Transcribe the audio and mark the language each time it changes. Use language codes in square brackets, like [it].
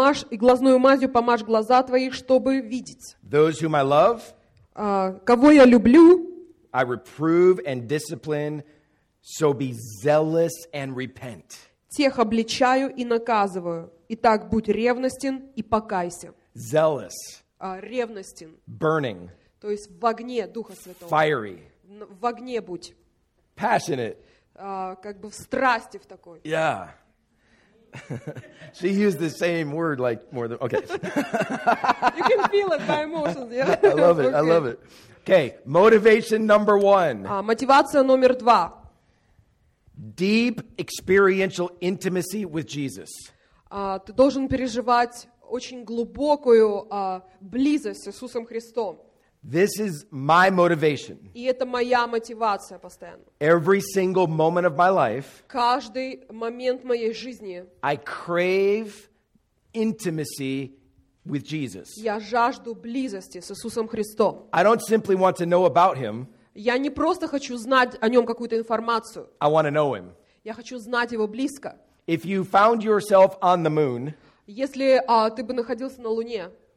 [ru] И глазную мазью помажь глаза твои, чтобы видеть. [en] Those whom I love, [ru] кого я люблю, [en] I reprove and discipline, so be zealous and repent. [ru] Тех обличаю и наказываю. Итак, будь ревностен и покайся. [en] Zealous. [ru] Ревностен. [en] Burning. [ru] То есть в огне Духа Святого. [en] Fiery. [ru] В огне будь. [en] Passionate. [ru] Как бы в страсти в такой. [en] Yeah. She used the same word like more than okay. You can feel it by emotions, yeah. I love it. Okay. I love it. Okay, motivation number one. [ru] Мотивация номер два. [en] Deep experiential intimacy with Jesus. [ru] Ты должен переживать очень глубокую близость с Иисусом Христом. [en] This is my motivation. [ru] И это моя мотивация постоянно. [en] Every single moment of my life. [ru] Каждый момент моей жизни. [en] I crave intimacy with Jesus. [ru] Я жажду близости с Иисусом Христом. [en] I don't simply want to know about him. [ru] Я не просто хочу знать о нем какую-то информацию. [en] I want to know him. [ru] Я хочу знать его близко. [en] If you found yourself on the moon. [ru] Если ты бы находился на Луне.